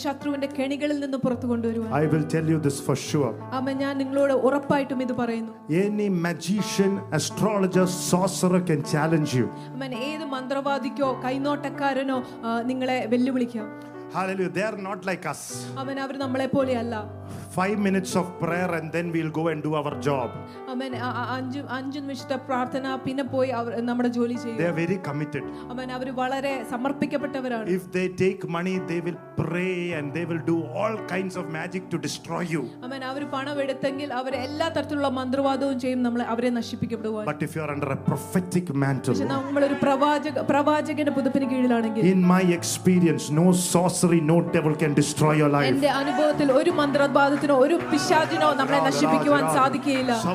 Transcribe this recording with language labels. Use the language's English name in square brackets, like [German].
[Malayalam] ശത്രുവിന്റെ കെണികളിൽ നിന്ന് പുറത്തു കൊണ്ടുവരും. [English] I will tell you this for sure. [Malayalam] അമേൻ. ഞാൻ നിങ്ങളോട് ഉറപ്പായിട്ടും ഇത് പറയുന്നു. [English] Any magician, astrologer, sorcerer can challenge you. [Malayalam] അമേൻ. ഏത് മന്ത്രവാദിക്കോ കൈനോട്ടക്കാരനോ നിങ്ങളെ വെല്ലുവിളിക്കാം. [English] Hallelujah. They are not like us. [Malayalam] അമേൻ. അവർ നമ്മളെ പോലെ അല്ല. [English] 5 minutes of prayer and then we'll go and do our job. Amen. [Malayalam] അഞ്ച് നിമിഷത്തെ പ്രാർത്ഥന പിന്നെ പോയി അവർ നമ്മുടെ ജോലി ചെയ്യും. [English] They are very committed. Amen. [Malayalam] അവർ വളരെ സമർപ്പിക്കപ്പെട്ടവരാണ്. [English] If they take money, they will pray and they will do all kinds of magic to destroy you. Amen. [Malayalam] അവർ പണം എടുത്തെങ്കിൽ അവർ എല്ലാ തരത്തിലുള്ള മന്ത്രവാദവും ചെയ്യും, നമ്മളെ അവരെ നശിപ്പിക്കപ്പെടുവാൻ. [English] But if you are under a prophetic mantle, [Malayalam] നമ്മൾ ഒരു പ്രവാചകന്റെ പുതപ്പിന് കീഴിലാണെങ്കിൽ, [English] in my experience, no sorcery, no devil can destroy your life. [Malayalam] എന്റെ അനുഭവത്തിൽ ഒരു മന്ത്രവാദം ഒരു പിശാചിനോ നമ്മളെ നശിപ്പിക്കുവാൻ സാധിക്കില്ല.